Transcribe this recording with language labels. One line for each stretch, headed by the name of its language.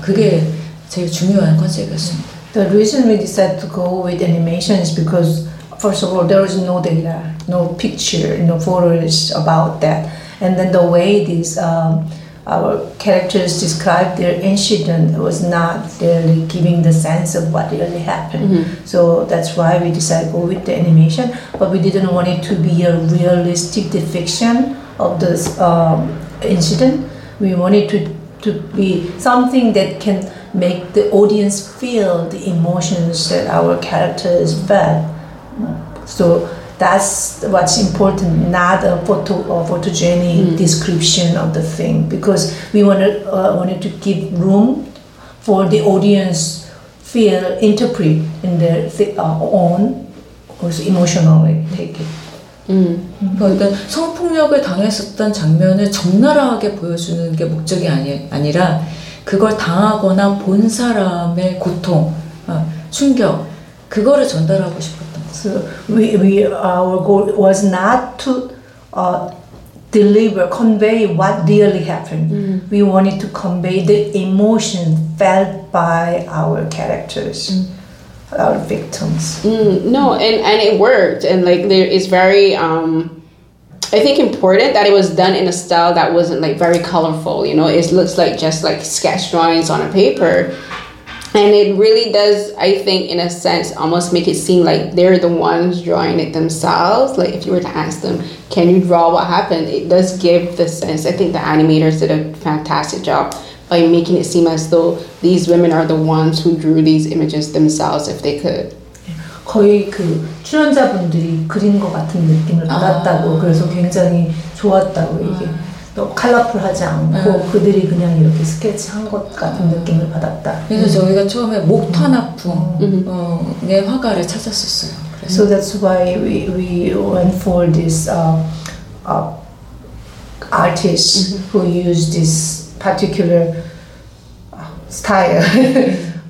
Korean: 그게 제일 중요한 컨셉이었습니다.
English: The reason we decided to go with animation is because first of all, there is no data, no picture, no photos about that. And then the way these our characters described their incident was not really giving the sense of what really happened. Mm-hmm. So that's why we decided to go with the animation, but we didn't want it to be a realistic depiction of this incident. We want it to be something that can make the audience feel the emotions that our characters felt. So that's what's important, not a photo or photogenic description of the thing, because we wanted to give room for the audience feel, interpret in their own, also emotionally take it.
Korean: 그러니까 성폭력을 당했었던 장면을 적나라하게 보여주는 게 목적이 아니라 그걸 당하거나 본 사람의 고통, 충격, 그거를 전달하고 싶었던 거죠.
English: Our goal was not to deliver, convey what really happened. We wanted to convey the emotion felt by our characters. Our victims. And it worked, and like there is very I think important that it was done in a style that wasn't like very colorful, you know. It looks like just like sketch drawings on a paper, and it really does, I think, in a sense almost make it seem like they're the ones drawing it themselves. Like if you were to ask them, can you draw what happened, it does give the sense. I think the animators did a fantastic job by making it seem as though these women are the ones who drew these images themselves, if they could.
Korean: 거의 그 출연자분들이 그린 것 같은 느낌을 받았다고 그래서 굉장히 좋았다고 이게 또 컬러풀하지 않고 그들이 그냥 이렇게 스케치한 것 같은 느낌을 받았다. 그래서 저희가 처음에 목탄아풍의 화가를 찾았었어요. 그래서.
English: So that's why we went for this artist who used this particular style.